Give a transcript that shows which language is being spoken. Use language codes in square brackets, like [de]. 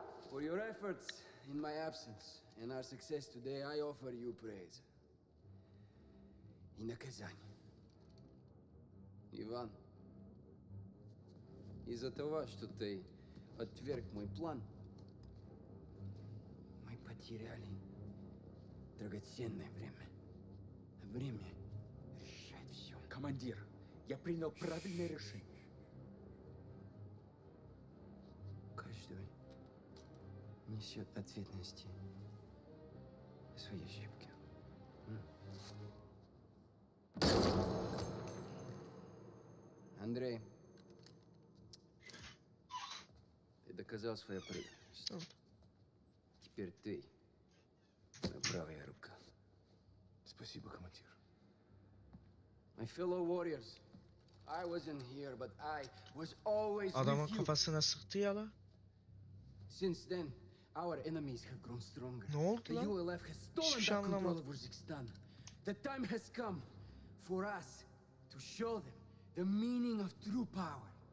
[en] For your efforts in my absence and our success today, I offer you praise. [ru] И наказание. Иван, из-за того, что ты отверг мой план, мы потеряли драгоценное время. Время решает все. Командир, я принял правильное решение. Каждый несет ответственность за свои ошибки. Андрей, ты доказал свою преданность. Стоп. Теперь ты моя правая рука. Спасибо, командир. [en] My fellow warriors, I wasn't here, but I was always with [tr] you. Adamın kafasına sıktı ya la. [en] Since then, our enemies have grown stronger. [tr] Ne oldu lan? [en] The ULF has stolen the control of Uzbekistan. The time has come for us to show them the meaning of true power.